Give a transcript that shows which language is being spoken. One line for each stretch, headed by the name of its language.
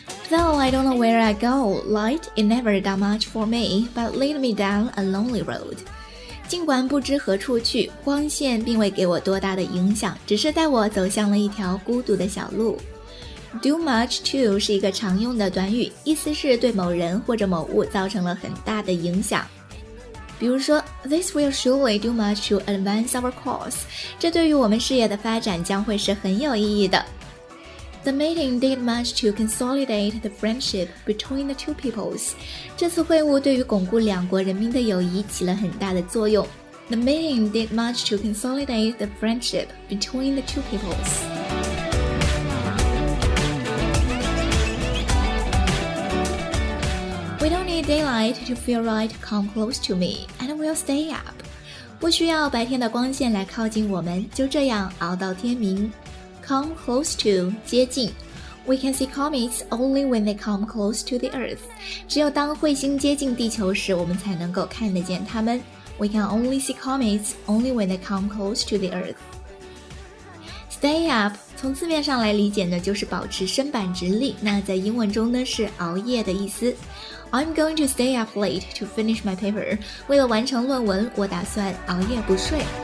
English: Though I don't know where I go, light is never that much for me, but lead me down a lonely road.
Chinese: 尽管不知何处去，光线并未给我多大的影响，只是带我走向了一条孤独的小路。 Do much to 是一个常用的短语，意思是对某人或者某物造成了很大的影响。比如说
English: ,This will surely do much to advance our cause.
Chinese: 这对于我们事业的发展将会是很有意义的。
English: The meeting did much to consolidate the friendship between the two peoples.
Chinese: 这次会晤对于巩固两国人民的友谊起了很大的作用。
English: The meeting did much to consolidate the friendship between the two peoples. 。We don't need daylight to feel right, come close to me, and we'll stay up.
Chinese: 不需要白天的光线来靠近我们，就这样熬到天明。
English: Come close to,
Chinese: 接近。
English: We can see comets only when they come close to the Earth.
Chinese: 只有当彗星接近地球时，我们才能够看得见它们。
English: We can only see comets only when they come close to the Earth.
Chinese: Stay up, 从字面上来理解呢，就是保持身板直立。那在英文中呢，是熬夜的意思。
English: I'm going to stay up late to finish my paper.
Chinese: 为了完成论文，我打算熬夜不睡。